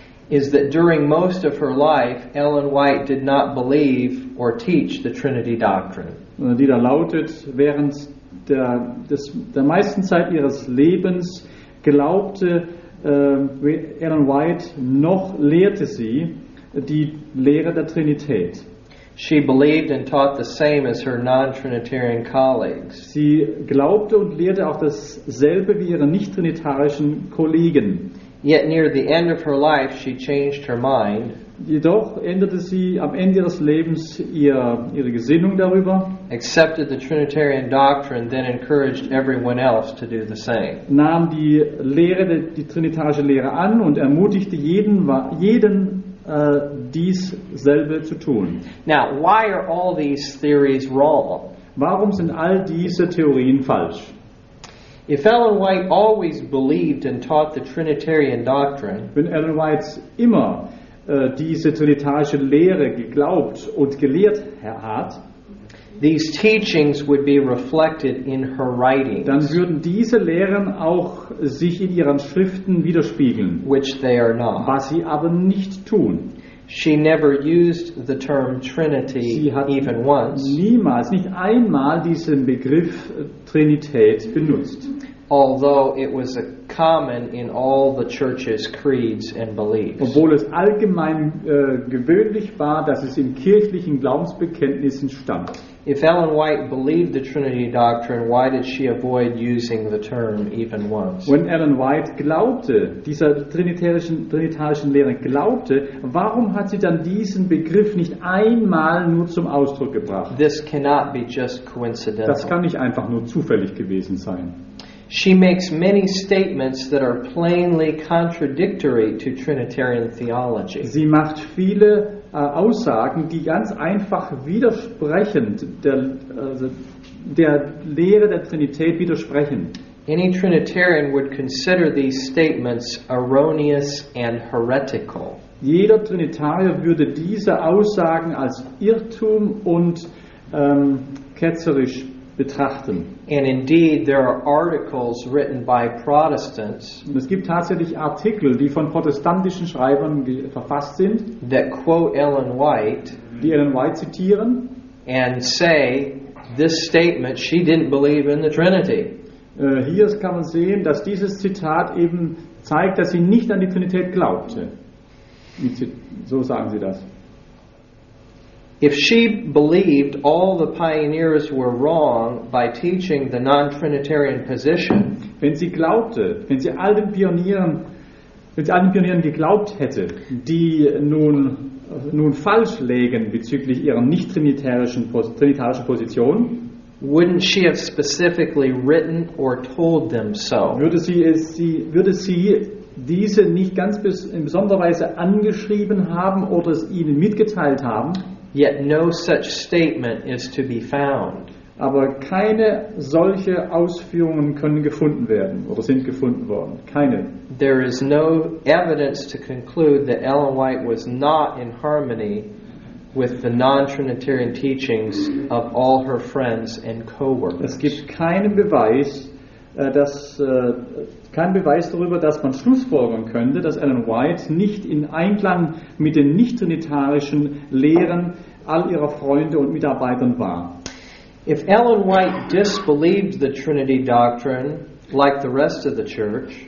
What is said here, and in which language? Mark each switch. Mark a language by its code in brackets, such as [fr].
[en] is that during most of her life Ellen White did not believe or teach the Trinity doctrine. [de] Die da lautet, während der meisten Zeit ihres Lebens glaubte Ellen White noch lehrte sie die Lehre der Trinität. [en] She believed and taught the same as her non-Trinitarian colleagues. [de] Sie glaubte und lehrte auch dasselbe wie ihre nicht-trinitarischen Kollegen. [en] Yet near the end of her life she changed her mind. [de] Jedoch änderte sie am Ende ihres Lebens ihre Gesinnung darüber. [en] Accepted the Trinitarian doctrine, then encouraged everyone else to do the same. [de] Nahm die trinitarische Lehre an und ermutigte jeden dieselbe zu tun. [en] Now, why are all these theories wrong? [de] Warum sind all diese Theorien falsch? [en] If Ellen White always believed and taught the Trinitarian doctrine, [de] wenn Ellen White immer diese trinitarische Lehre geglaubt und gelehrt hat, [en] these teachings would be reflected in her writings, [de] dann würden diese Lehren auch sich in ihren Schriften widerspiegeln, [en] which they are not. [de] Was sie aber nicht tun. [en] She never used the term Trinity even once. [de] Niemals, nicht einmal diesen Begriff Trinität benutzt. [en] Although it was a common in all the churches' creeds and beliefs. [de] Obwohl es allgemein gewöhnlich war, dass es in kirchlichen Glaubensbekenntnissen stand. [en] If Ellen White believed the Trinity doctrine, why did she avoid using the term even once? [de] Wenn Ellen White glaubte, dieser trinitarischen Lehre glaubte, warum hat sie dann diesen Begriff nicht einmal nur zum Ausdruck gebracht? [en] This cannot be just coincidental. [de] Das kann nicht einfach nur zufällig gewesen sein. [en] She makes many statements that are plainly contradictory to Trinitarian theology. [de] Sie macht viele Aussagen, die ganz einfach widersprechend der Lehre der Trinität widersprechen. [en] Any Trinitarian would consider these statements erroneous and heretical. [de] Jeder Trinitarier würde diese Aussagen als Irrtum und ketzerisch betrachten. [en] And indeed, there are articles written by Protestants. [de] Es gibt tatsächlich Artikel, die von protestantischen Schreibern verfasst sind. [en] That quote Ellen White. [de] Die Ellen White zitieren. [en] And say this statement: she didn't believe in the Trinity. [de] Hier kann man sehen, dass dieses Zitat eben zeigt, dass sie nicht an die Trinität glaubte. So sagen sie das. [en] If she believed all the pioneers were wrong by teaching the non-trinitarian position, [de] wenn sie glaubte, wenn sie allen Pionieren geglaubt hätte, die nun falsch lägen bezüglich ihrer nicht-trinitarischen Position, [en] wouldn't she have specifically written or told them so? [de] Würde sie diese nicht ganz in besonderer Weise angeschrieben haben oder es ihnen mitgeteilt haben? [en] Yet no such statement is to be found. [de] Aber keine solche Ausführungen können gefunden werden oder sind gefunden worden. Keine. [en] There is no evidence to conclude that Ellen White was not in harmony with the non-Trinitarian teachings of all her friends and co-workers. [de] Es gibt keinen Beweis darüber, dass man schlussfolgern könnte, dass Ellen White nicht in Einklang mit den nicht-trinitarischen Lehren all ihrer Freunde und Mitarbeitern war. [en] If Ellen White disbelieved the Trinity doctrine, like the rest of the church,